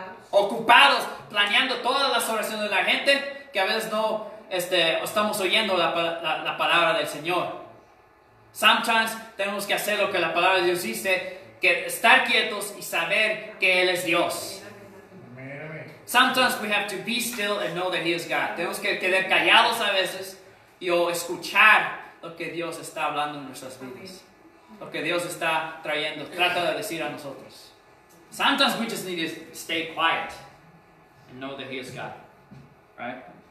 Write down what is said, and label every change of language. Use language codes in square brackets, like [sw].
[es] Ocupados planeando todas las oraciones de la gente, que a veces no estamos oyendo la palabra del Señor. [en] Sometimes [es] tenemos que hacer lo que la palabra de Dios dice, que estar quietos y saber que Él es Dios. [en] Sometimes we have to be still and know that He is God. [es] Tenemos que quedar callados a veces y o escuchar lo que Dios está hablando en nuestras vidas. Lo que Dios está trayendo, trata de decir a nosotros. [en] Sometimes we just need to stay quiet and know that He is God. Right?